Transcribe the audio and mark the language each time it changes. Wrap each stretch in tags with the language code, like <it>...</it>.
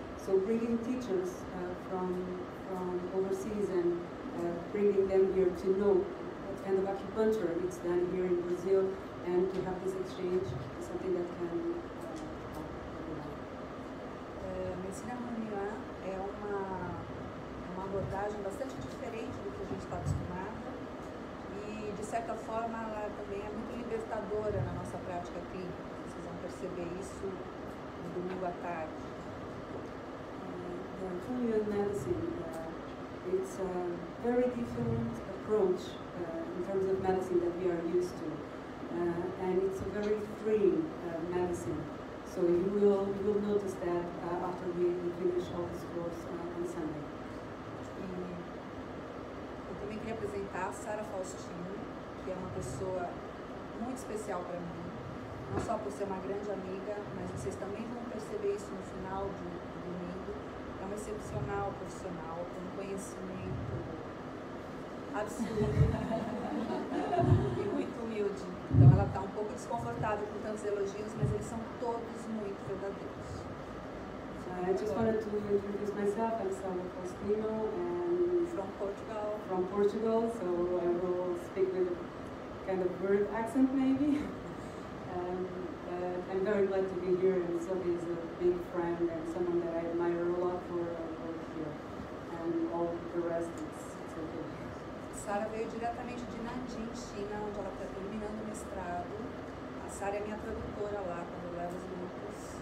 <en>So bringing teachers from overseas and bringing them here to know what kind of acupuncture it's done here in Brazil and to have this exchange is something that can help everyone.</en> <pt>Medicina Ramonian é uma disciplina que trabalha com uma abordagem bastante diferente do que a gente está acostumado. De certa forma, ela também é muito libertadora na nossa prática clínica. Vocês vão perceber isso no domingo à tarde.</pt> <en>The Antonian medicine, it's a very different approach in terms of medicine that we are used to. And it's a very free medicine. So you will notice that after we finish all this course on Sunday.</en> <pt>Eu também queria apresentar a Sara Faustino, que é uma pessoa muito especial para mim, não só por ser uma grande amiga, mas vocês também vão perceber isso no final do domingo. É uma excepcional profissional, com um conhecimento absurdo e muito humilde. Então ela está um pouco desconfortável com tantos elogios, mas eles são todos muito verdadeiros.</pt> <en>I just wanted to introduce myself. I'm Sara Faustino, and from Portugal. From Portugal, so I will speak with a kind of bird accent, maybe. I'm very glad to be here, and Sylvie is a big friend and someone that I admire a lot for work here. And all the rest is so good.</en> <pt>Sara veio diretamente de Nanjing, China, onde ela está terminando o mestrado. A Sara é minha tradutora lá, quando eu levo os grupos.</pt>